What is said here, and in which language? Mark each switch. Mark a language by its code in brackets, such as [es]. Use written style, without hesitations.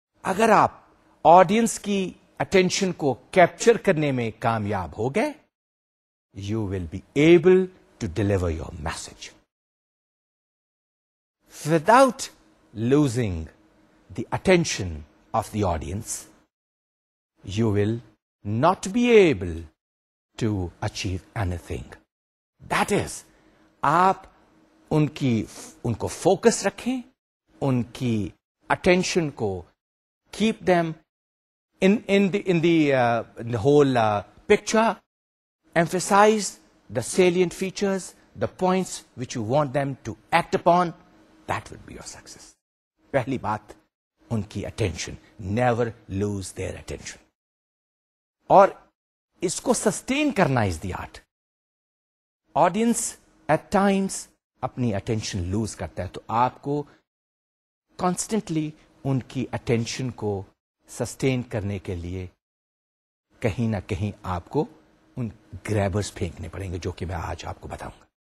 [ur] اگر آپ آڈینس کی اٹینشن کو کیپچر کرنے میں کامیاب ہو گئے [en] You will be able to deliver your message without losing the attention of the audience. You will not be able to achieve anything. That is, [ur] aap unko focus rakhein, unki attention ko [en] keep them in the whole picture, emphasize the salient features, the points which you want them to act upon, that would be your success. [ur] Pehli baat, unki attention, [en] never lose their attention. [ur] اور اس کو sustain کرنا [en] Is the art. [ur] Audience at Times اپنی attention loose کرتا ہے, تو آپ کو constantly ان کی اٹینشن کو سسٹین کرنے کے لیے کہیں نہ کہیں آپ کو ان گریبرز پھینکنے پڑیں گے جو کہ میں آج آپ کو بتاؤں گا.